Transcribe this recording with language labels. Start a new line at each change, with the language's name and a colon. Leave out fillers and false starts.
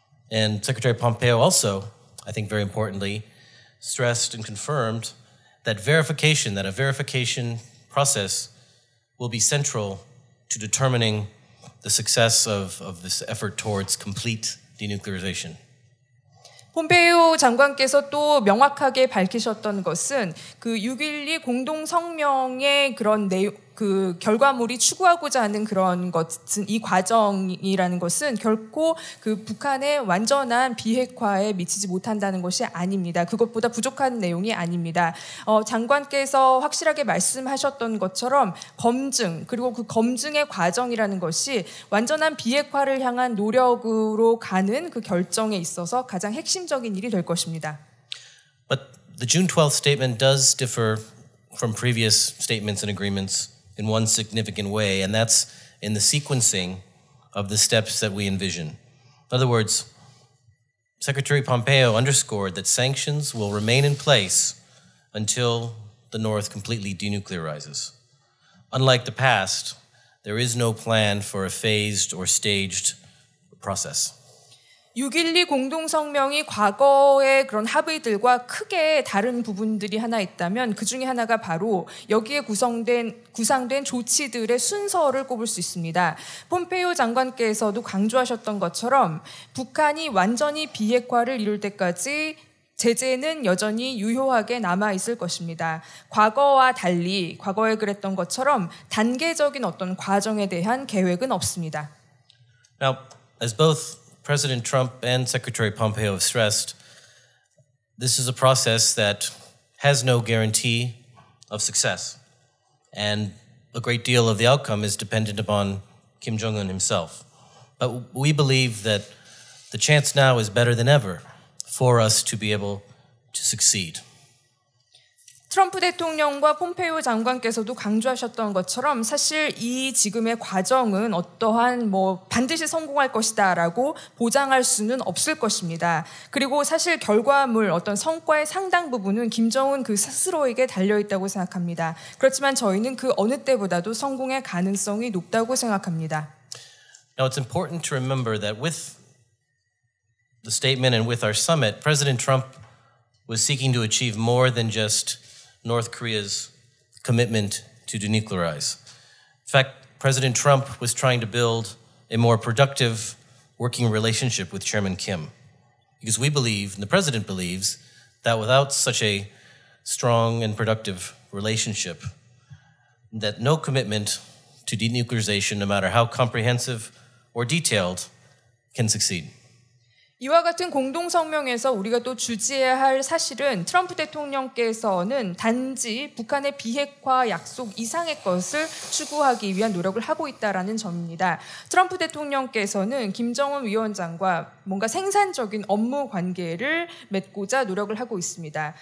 English: And Secretary Pompeo also, I think very importantly, stressed and confirmed that verification, that a verification process will be central to determining the success of this effort towards complete denuclearization.
Korean: 폼페이오 장관께서 또 명확하게 밝히셨던 것은 그 6.12 공동성명의 그런 내용, 그 결과물이 추구하고자 하는 그런 것은 이 과정이라는 것은 결코 그 북한의 완전한 비핵화에 미치지 못한다는 것이 아닙니다. 그것보다 부족한 내용이 아닙니다. 장관께서 확실하게 말씀하셨던 것처럼 검증 그리고 그 검증의 과정이라는 것이 완전한 비핵화를 향한 노력으로 가는 그 결정에 있어서 가장 핵심적인 일이 될 것입니다.
English: But the June 12th statement does differ from previous statements and agreements in one significant way, and that's in the sequencing of the steps that we envision. In other words, Secretary Pompeo underscored that sanctions will remain in place until the North completely denuclearizes. Unlike the past, there is no plan for a phased or staged process.
Korean: 6.12 공동성명이 과거의 그런 합의들과 크게 다른 부분들이 하나 있다면 그 중에 하나가 바로 여기에 구상된 조치들의 순서를 꼽을 수 있습니다. 폼페이오 장관께서도 강조하셨던 것처럼 북한이 완전히 비핵화를 이룰 때까지 제재는 여전히 유효하게 남아있을 것입니다. 과거와 달리 과거에 그랬던 것처럼 단계적인 어떤 과정에 대한 계획은 없습니다.
English: Now, as both President Trump and Secretary Pompeo have stressed, this is a process that has no guarantee of success. And a great deal of the outcome is dependent upon Kim Jong-un himself. But we believe that the chance now is better than ever for us to be able to succeed.
Korean: 트럼프 대통령과 폼페이오 장관께서도 강조하셨던 것처럼 사실 이 지금의 과정은 어떠한 뭐 반드시 성공할 것이다 라고 보장할 수는 없을 것입니다. 그리고 사실 결과물 어떤 성과의 상당 부분은 김정은 그 스스로에게 달려있다고 생각합니다. 그렇지만 저희는 그 어느 때보다도 성공의 가능성이 높다고 생각합니다.
English: Now it's important to remember that with the statement and with our summit, President Trump was seeking to achieve more than just North Korea's commitment to denuclearize. In fact, President Trump was trying to build a more productive working relationship with Chairman Kim. Because we believe, and the president believes, that without such a strong and productive relationship, that no commitment to denuclearization, no matter how comprehensive or detailed, can succeed.
Korean: 이와 같은 공동성명에서 우리가 또 주지해야 할 사실은 트럼프 대통령께서는 단지 북한의 비핵화 약속 이상의 것을 추구하기 위한 노력을 하고 있다라는 점입니다. 트럼프 대통령께서는 김정은 위원장과 뭔가 생산적인 업무 관계를 맺고자 노력을 하고 있습니다.